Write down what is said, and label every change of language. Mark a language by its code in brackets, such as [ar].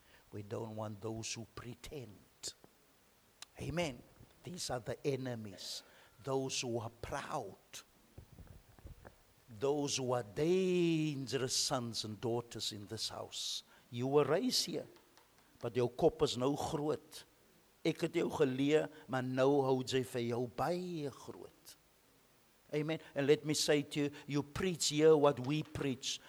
[en] We don't want those who pretend. Amen. These are the enemies. Those who are proud, those who are dangerous sons and daughters in this house. You were raised here, but your [af] kop is nou groot. Ek het jou geleer, maar nou hou jy vir jou baie groot. [en] Amen. And let me say to you, you preach here what we preach.